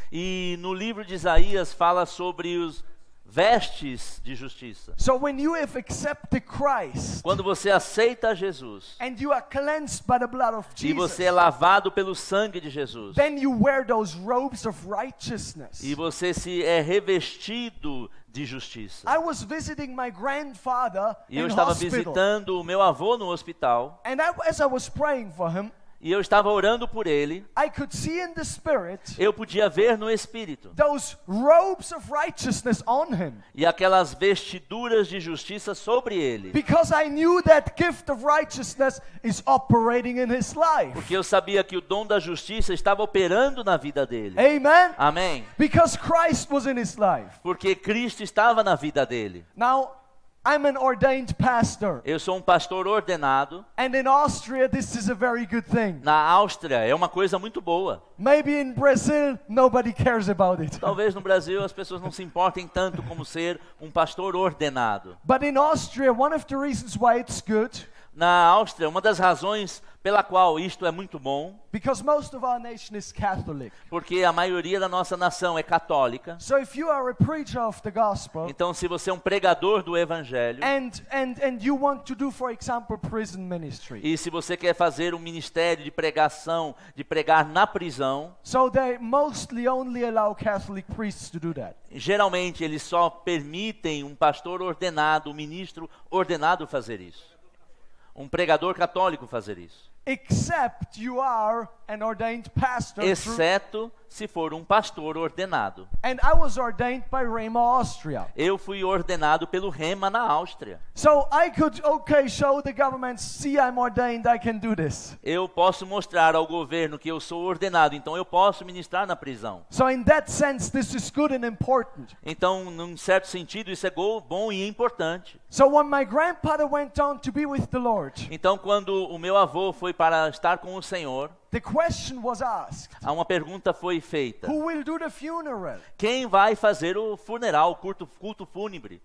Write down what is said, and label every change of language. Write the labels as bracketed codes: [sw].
[pt] E no livro de Isaías fala sobre os vestes de justiça. [en] So when you have accepted Christ, [pt] quando você aceita Jesus, [en] and you are cleansed by the blood of Jesus, [pt] e você é lavado pelo sangue de Jesus, [en] then you wear those robes of righteousness. [pt] E você se é revestido de justiça. [en] I was visiting my grandfather [pt] e eu estava visitando o meu avô no hospital. [en] And as I was praying for him, [pt] e eu estava orando por ele. [en] I could see in the spirit, [pt] eu podia ver no Espírito. [en] Those robes of righteousness on him. [pt] E aquelas vestiduras de justiça sobre ele. [en] Because I knew that gift of righteousness is operating in his life. [pt] Porque eu sabia que o dom da justiça estava operando na vida dele. [en] Amen. [pt] Amém. [en] Because Christ was in his life. [pt] Porque Cristo estava na vida dele. [en] Now, I'm an ordained pastor. [pt] Eu sou um pastor ordenado. [en] And in Austria, this is a very good thing. [pt] Na Áustria é uma coisa muito boa. [en] Maybe in Brazil, nobody cares about it. [pt] Talvez no Brasil as pessoas não se importem tanto como ser um pastor ordenado. [en] But in Austria, one of the reasons why it's good. [pt] Na Áustria, uma das razões pela qual isto é muito bom. [en] Because most of our nation is Catholic. [pt] Porque a maioria da nossa nação é católica. [en] So if you are a preacher of the gospel, [pt] então se você é um pregador do evangelho. [en] And you want to do, for example, prison ministry. [pt] E se você quer fazer um ministério de pregação, de pregar na prisão. [en] So they mostly only allow Catholic priests to do that. [pt] Geralmente eles só permitem um pastor ordenado, um ministro ordenado fazer isso. Um pregador católico fazer isso. [en] Except you are an ordained pastor. [pt] Exceto se for um pastor ordenado. [en] And I was ordained by Rema Austria. [pt] Eu fui ordenado pelo Rema na Áustria. [en] So I could okay show the government see I'm ordained I can do this. [pt] Eu posso mostrar ao governo que eu sou ordenado, então eu posso ministrar na prisão. [en] So in that sense this is good and important. [pt] Então num certo sentido isso é bom e importante. [en] So when my grandfather went on to be with the Lord. [pt] Então quando o meu avô foi para estar com o Senhor. [en] The question was asked. [pt] Há uma pergunta foi feita. [en] Who will do the funeral? [pt] Quem vai fazer o funeral, o culto fúnebre?